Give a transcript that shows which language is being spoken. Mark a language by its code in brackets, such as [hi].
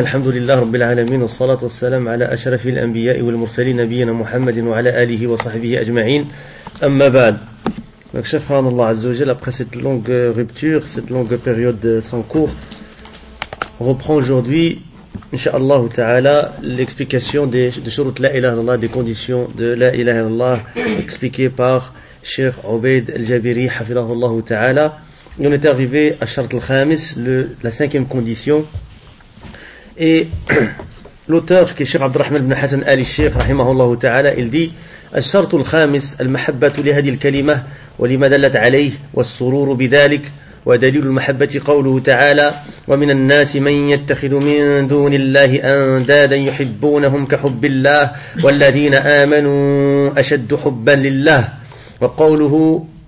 [ar] الحمد لله رب العالمين، والصلاة والسلام على أشرف الأنبياء والمرسلين نبينا محمد وعلى آله وصحبه أجمعين. أما بعد، [fr] donc cher frère d'Allah Azza wa Jalla, après cette longue rupture, cette longue période sans cours, reprend aujourd'hui inshallah ta'ala l'explication des shurut la ilaha illallah, des conditions de la ilaha illallah expliquées par Cheikh Obeid Al-Jabiri hafidhahullah ta'ala. On est arrivé à Shart al-Khamis, la cinquième condition. Et l'auteur, qui est Cheikh Abdurrahman ibn Hassan Ali Sheikh, rahimahullah ta'ala, il dit: [ar] الشرط الخامس المحبة لهذه الكلمة ولما دلت عليه والسرور بذلك، ودليل المحبة قوله تعالى: ومن الناس من يتخذ من دون الله أندادا يحبونهم كحب الله والذين آمنوا أشد حبا لله، وقوله: